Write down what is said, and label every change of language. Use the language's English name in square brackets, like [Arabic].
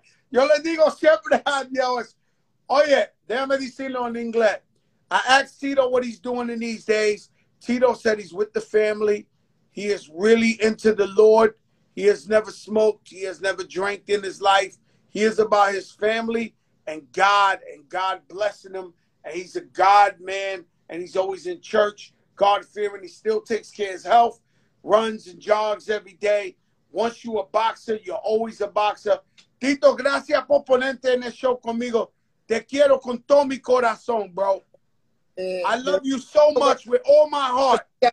[Spanish] Yo le digo siempre a Dios, oye, déjame decirlo en inglés. [English] I asked Tito what he's doing in these days. Tito said he's with the family. He is really into the Lord. He has never smoked. He has never drank in his life. He is about his family and God blessing him. And he's a God man, and he's always in church, God fearing. He still takes care of his health, runs and jogs every day. Once you a boxer, you're always a boxer. [Spanish] Tito, gracias por ponerte en el show conmigo. Te quiero con todo mi corazón, bro. [English] I love you so much with all my heart.